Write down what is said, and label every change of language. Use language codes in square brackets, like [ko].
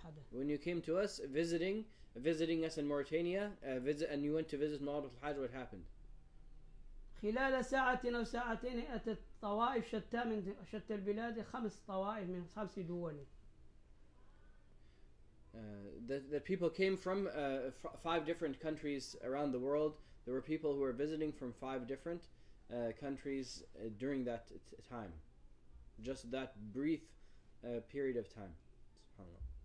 [en] When you came to us visiting us in Mauritania, and you went to visit Murabit al-Hajj, what happened? [ar] خلال ساعة أو ساعتين أتت طوائف شتى من شتى البلاد، خمس طوائف من خمس دول. [en] The people came from five different countries around the world. There were people who were visiting from five different countries during that time. Just that brief period of time. SubhanAllah.